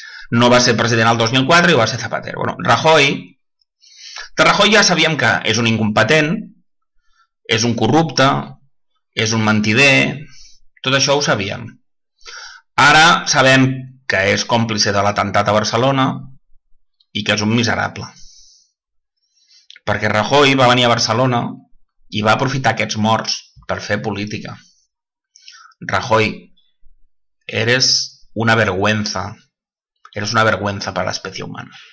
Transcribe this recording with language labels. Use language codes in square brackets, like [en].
[ca] No va ser president el 2004 i va ser Zapatero. Bueno, Rajoy, de Rajoy ja sabíem que és un incompetent, és un corrupte, és un mentider, tot això ho sabíem. Ara sabem que és còmplice de l'atemptat a Barcelona i que és un miserable. Perquè Rajoy va venir a Barcelona i va aprofitar aquests morts per fer política. [es] Rajoy, eres una vergüenza. Eres una vergüenza [ca] per a l'espècie humana.